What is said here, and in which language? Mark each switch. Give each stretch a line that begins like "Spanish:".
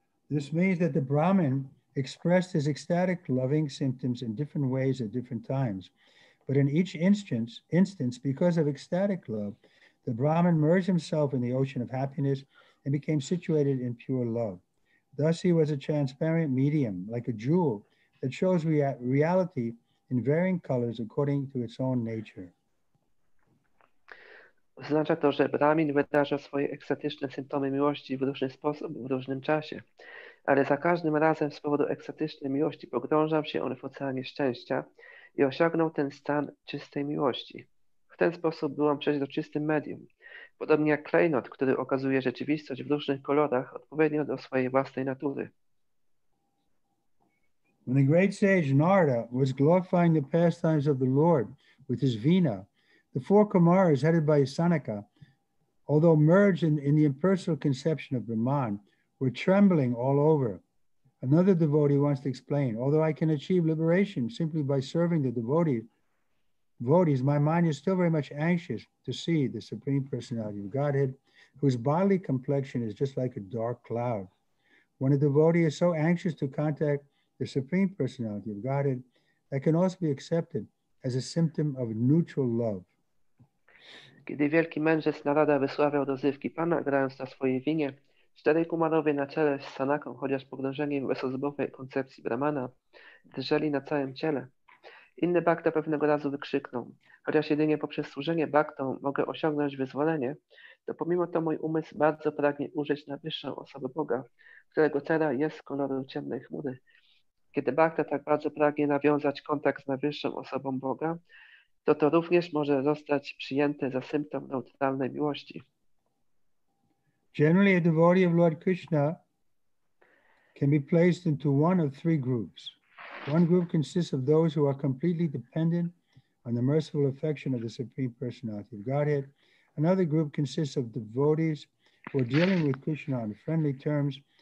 English: This means that the Brahmin expressed his ecstatic loving symptoms in different ways at different times, but in each instance, because of ecstatic love, the Brahmin merged himself in the ocean of happiness and became situated in pure love. Thus he was a transparent medium, like a jewel, that shows reality in varying colors according to its own nature.
Polish: Oznacza to, że Brahmin wydarza swoje ekstatyczne symptomy miłości w różny sposób, w różnym czasie. ale za każdym razem z powodu ekstatycznej miłości pogrążał się on w oceanie szczęścia i osiągnął ten stan czystej miłości. W ten sposób był on przezroczystym medium. Podobnie jak klejnot, który okazuje rzeczywistość w różnych kolorach odpowiednio do swojej własnej natury.
English: When the great sage Narada was glorifying the pastimes of the Lord with his Veena, the four Kumaras headed by Sanaka, although merged in the impersonal conception of Brahman, were trembling all over. Another devotee wants to explain, although I can achieve liberation simply by serving the devotees, my mind is still very much anxious to see the Supreme Personality of Godhead, whose bodily complexion is just like a dark cloud. When a devotee is so anxious to contact the Supreme Personality of Godhead, that can also be accepted as a symptom of neutral love.
Polish: Kiedy wielki mędrzec Narada wysławiał dozywki Pana, grając na swojej winie, cztery kumarowie na czele z Sanaką, chociaż pogrążeni w bezosobowej koncepcji Brahmana, drżeli na całym ciele. Inny bhakta pewnego razu wykrzyknął, chociaż jedynie poprzez służenie bhaktą mogę osiągnąć wyzwolenie, to pomimo to mój umysł bardzo pragnie ujrzeć na wyższą osobę Boga, którego cera jest koloru ciemnej chmury. Kiedy bhakta tak bardzo pragnie nawiązać kontakt z najwyższą osobą Boga, to to również może zostać przyjęte za symptom neutralnej miłości.
English: Generally, a devotee of Lord Krishna can be placed into one of three groups. One group consists of those who are completely dependent on the merciful affection of the Supreme Personality of Godhead. Another group consists of devotees who are dealing with Krishna on friendly terms.